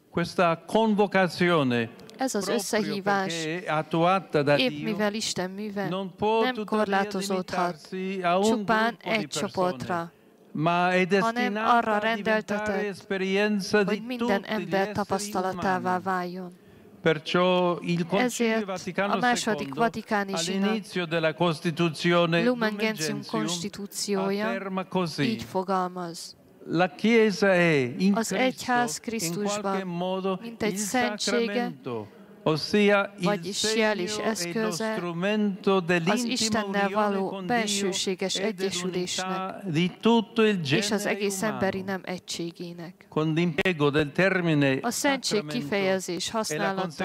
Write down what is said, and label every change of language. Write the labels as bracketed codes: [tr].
[it] Questa convocazione, [hu] ez az összehívás, épp mivel Isten műve, nem korlátozódhat csupán egy csoportra, hanem arra rendeltetett, hogy minden ember tapasztalatává váljon. [it] Perciò il Concilio Vaticano II all'inizio della Costituzione Lumen Gentium Constitutionem afferma così. [hu] Így fogalmaz. [it] La Chiesa è in Cristo, in qualche modo, [hu] mint egy szentsége, [it] ossia [hu] vagyis jel és eszköze az Istennel való bensőséges egyesülésnek [it] di tutto il [hu] és az egész emberi nem egységének. [it] Con l'impiego del termine [hu] a szentség kifejezés használata